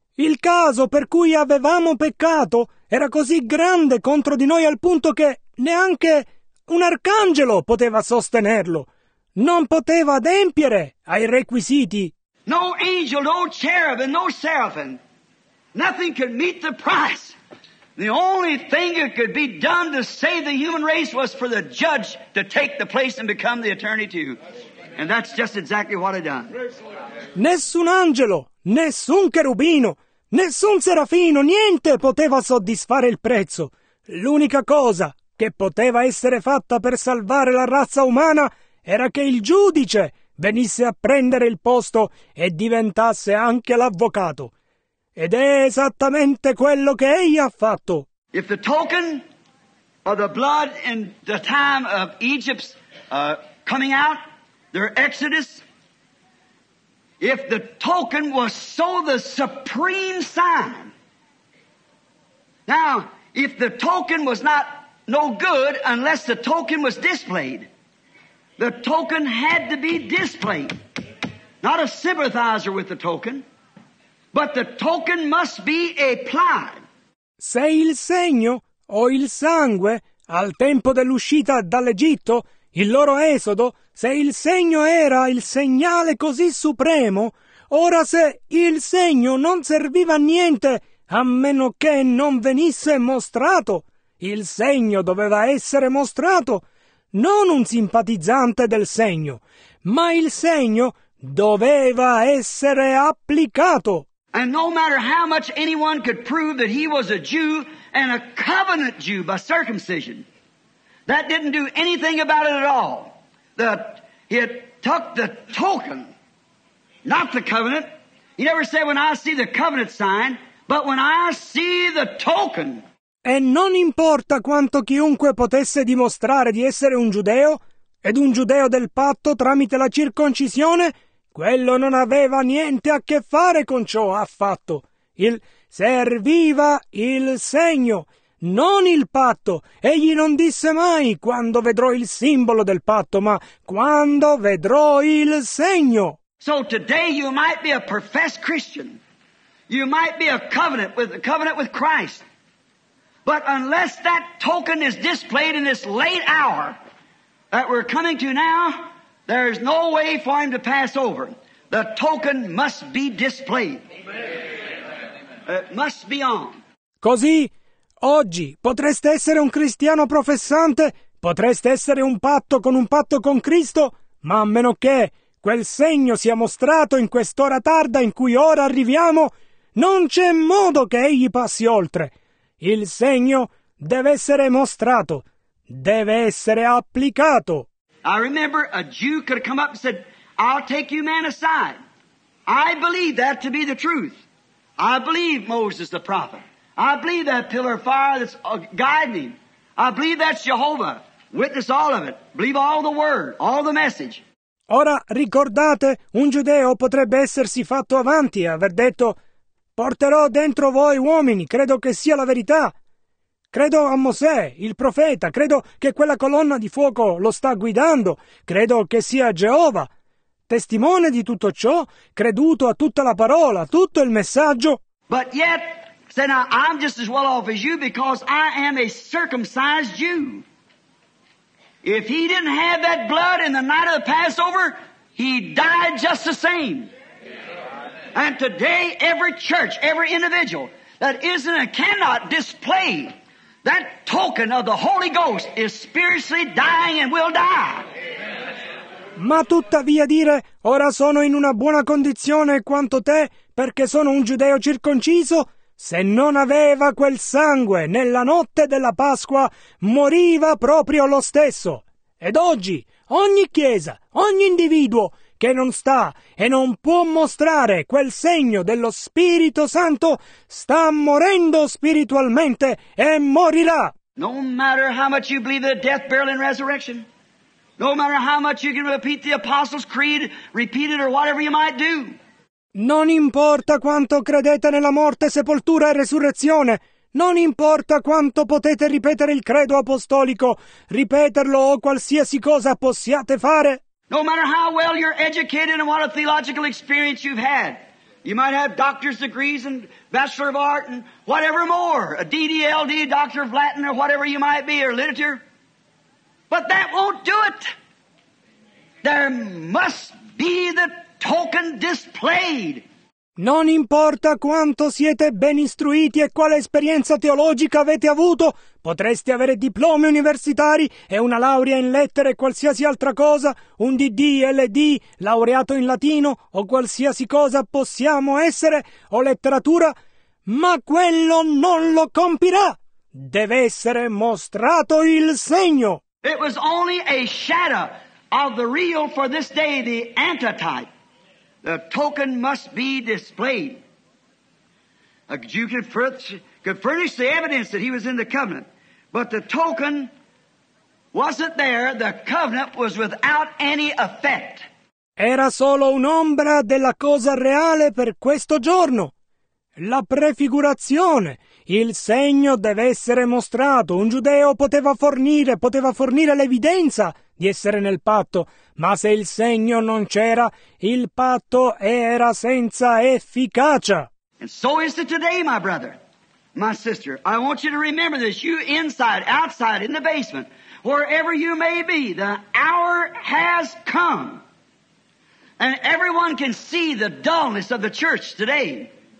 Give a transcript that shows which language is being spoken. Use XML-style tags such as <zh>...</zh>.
<it>Il caso per cui avevamo peccato era così grande contro di noi al punto che neanche un arcangelo poteva sostenerlo. Non poteva adempiere ai requisiti.</it> <en>No angel, no cherubim, no seraphim. Nothing could meet the price. The only thing that could be done to save the human race was for the judge to take the place and become the attorney too. And that's just exactly what I done.</en> <it>Nessun angelo, nessun cherubino, nessun serafino, niente poteva soddisfare il prezzo. L'unica cosa che poteva essere fatta per salvare la razza umana era che il giudice venisse a prendere il posto e diventasse anche l'avvocato. Ed è esattamente quello che egli ha fatto.</it> <en>If the token of the blood in the time of Egypt's coming out, their exodus, if the token was so the supreme sign. Now, if the token was not no good unless the token was displayed. The token had to be displayed. Not a sympathizer with the token, but the token must be applied.</en> <it>Se il segno o il sangue al tempo dell'uscita dall'Egitto, il loro esodo, se il segno era il segnale così supremo, ora se il segno non serviva a niente a meno che non venisse mostrato, il segno doveva essere mostrato. Non un simpatizzante del segno, ma il segno doveva essere applicato.</it> <en>And no matter how much anyone could prove that he was a Jew and a covenant Jew by circumcision, that didn't do anything about it at all. That he had took the token, not the covenant. He never said, when I see the covenant sign, but when I see the token.</en> <it>E non importa quanto chiunque potesse dimostrare di essere un giudeo ed un giudeo del patto tramite la circoncisione, quello non aveva niente a che fare con ciò affatto. Il serviva il segno, non il patto. Egli non disse mai quando vedrò il simbolo del patto, ma quando vedrò il segno.</it> <en>So today you might be a professed Christian. You might be a covenant with Christ. But unless that token is displayed in this late hour that we're coming to now, there is no way for him to pass over. The token must be displayed. It must be on.</en> <it>Così, oggi, potreste essere un cristiano professante, potreste essere un patto con Cristo, ma a meno che quel segno sia mostrato in quest'ora tarda in cui ora arriviamo, Non c'è modo che egli passi oltre. Il segno deve essere mostrato, deve essere applicato.</it> <en>I remember a Jew could have come up and said, I'll take you man aside. I believe that to be the truth. I believe Moses the prophet. I believe that pillar of fire that's guiding him. I believe that's Jehovah. Witness all of it. Believe all the word, all the message.</en> <it>Ora, ricordate, un giudeo potrebbe essersi fatto avanti e aver detto, porterò dentro voi uomini, credo che sia la verità. Credo a Mosè, il profeta, credo che quella colonna di fuoco lo sta guidando, credo che sia Geova. Testimone di tutto ciò, creduto a tutta la parola, a tutto il messaggio.</it> <en>But yet, say now, I'm just as well off as you because I am a circumcised Jew. If he didn't have that blood in the night of the Passover, he died just the same. And today, every church, every individual that isn't and cannot display that token of the Holy Ghost is spiritually dying and will die.</en> <it>Ma tuttavia dire, ora sono in una buona condizione quanto te, perché sono un giudeo circonciso, se non aveva quel sangue nella notte della Pasqua, moriva proprio lo stesso. Ed oggi, ogni chiesa, ogni individuo che non sta e non può mostrare quel segno dello Spirito Santo, sta morendo spiritualmente e morirà.</it> <en>No matter how much you believe the death, burial and resurrection, no matter how much you can repeat the Apostles' Creed, repeat it or whatever you might do.</en> <it>Non importa quanto credete nella morte, sepoltura e resurrezione, non importa quanto potete ripetere il credo apostolico, ripeterlo o qualsiasi cosa possiate fare.</it> <en>No matter how well you're educated and what a theological experience you've had, you might have doctor's degrees and bachelor of art and whatever more, a DDLD, doctor of Latin or whatever you might be, or literature, but that won't do it. There must be the token displayed.</en> <it>Non importa quanto siete ben istruiti e quale esperienza teologica avete avuto, potreste avere diplomi universitari e una laurea in lettere e qualsiasi altra cosa, un DD, LD, laureato in latino o qualsiasi cosa possiamo essere, o letteratura, ma quello non lo compirà. Deve essere mostrato il segno.</it> <en>It was only a shadow of the real for this day, the antitype. The token must be displayed. A Jew could furnish the evidence that he was in the covenant, but the token wasn't there. The covenant was without any effect.</en> <it>Era solo un'ombra della cosa reale per questo giorno. La prefigurazione, il segno deve essere mostrato. Un giudeo poteva fornire l'evidenza di essere nel patto, ma se il segno non c'era, il patto era senza efficacia.</it> <en>And so is it today, my brother, my sister. I want you to remember this, you inside, outside, in the basement, wherever you may be, the hour has come. And everyone can see the dullness of the church today.</en>